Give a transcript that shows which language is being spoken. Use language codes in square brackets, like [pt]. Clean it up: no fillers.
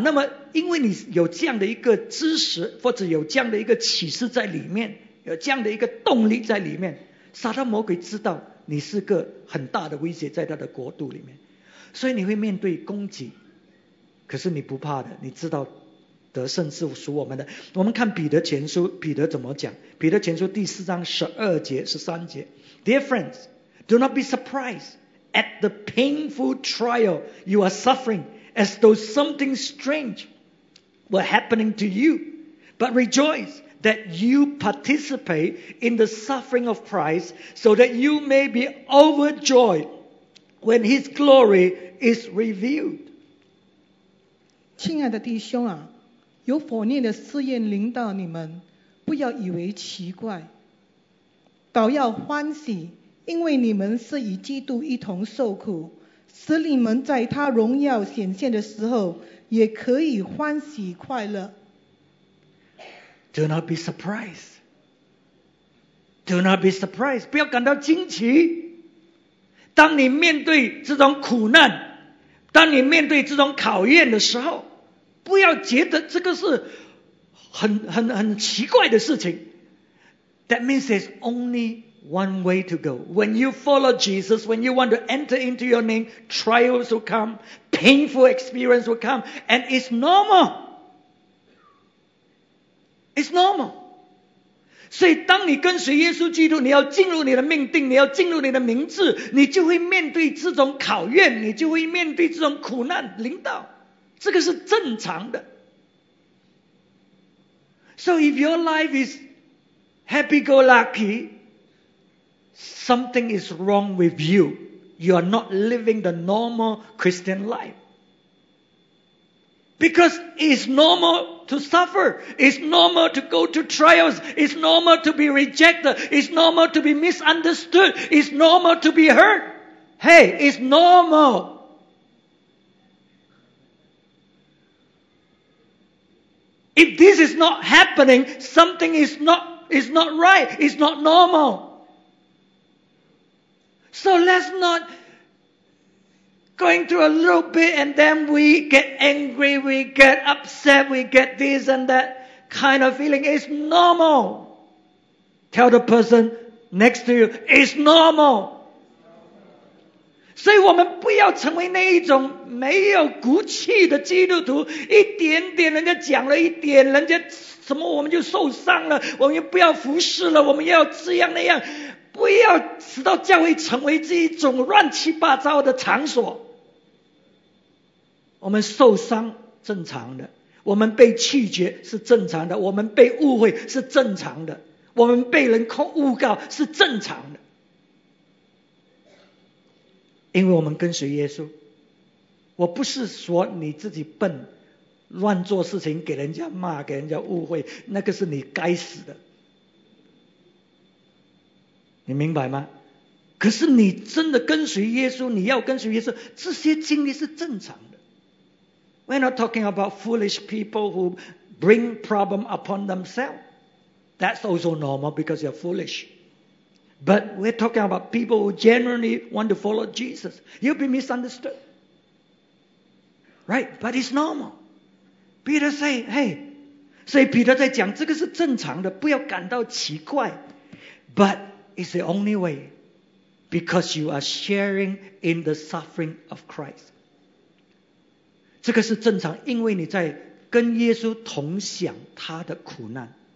[zh] 那么因为你有这样的一个知识，或者有这样的一个启示在里面，有这样的一个动力在里面，撒旦魔鬼知道你是个很大的威胁在他的国度里面，所以你会面对攻击，可是你不怕的，你知道得胜是属我们的。我们看彼得前书，彼得怎么讲，彼得前书第四章十二节十三节， [en] Dear friends, do not be surprised at the painful trial you are suffering as though something strange were happening to you, but rejoice that you participate in the suffering of Christ so that you may be overjoyedWhen His glory is revealed. [zh] 亲爱的弟兄啊，有火炼的试验临到你们，不要以为奇怪，倒要欢喜，因为你们是与基督一同受苦，使你们在他荣耀显现的时候，也可以欢喜快乐。 [en] Do not be surprised. Do not be surprised. [zh] 不要感到惊奇。当你面对这种苦难，当你面对这种考验的时候，不要觉得这个是很奇怪的事情。 [en] That means there's only one way to go. When you follow Jesus, when you want to enter into your name, trials will come, painful experience will come, and it's normal. It's normal. [zh] 所以当你跟随耶稣基督，你要进入你的命定，你要进入你的名字，你就会面对这种考验，你就会面对这种苦难临到，这个是正常的。 [en] So if your life is happy-go-lucky, something is wrong with you. You are not living the normal Christian life. Because it's normal to suffer, it's normal to go to trials, it's normal to be rejected, it's normal to be misunderstood, it's normal to be hurt. Hey, it's normal. If this is not happening, something is not right, it's not normal. So let's not going through a little bit and then we get angry, we get upset, we get this and that kind of feeling. It's normal. Tell the person next to you, it's normal. [zh] 所以我们不要成为那一种没有骨气的基督徒，一点点人家讲了一点，人家什么我们就受伤了，我们又不要服侍了，我们要这样那样，不要使到教会成为这一种乱七八糟的场所。我们受伤正常的，我们被拒绝是正常的，我们被误会是正常的，我们被人控诬告是正常的，因为我们跟随耶稣。我不是说你自己笨乱做事情，给人家骂，给人家误会，那个是你该死的，你明白吗？可是你真的跟随耶稣，你要跟随耶稣，这些经历是正常的。 [en] We're not talking about foolish people who bring problem upon themselves. That's also normal because you're foolish. But we're talking about people who genuinely want to follow Jesus. You'll be misunderstood. Right? But it's normal. Peter say, hey. [zh] 所以彼得在讲, 这个是正常的, 不要感到奇怪, [en] but it's the only way. Because you are sharing in the suffering of Christ. [zh] 这个是正常, 因为你在跟耶稣同享他的苦难。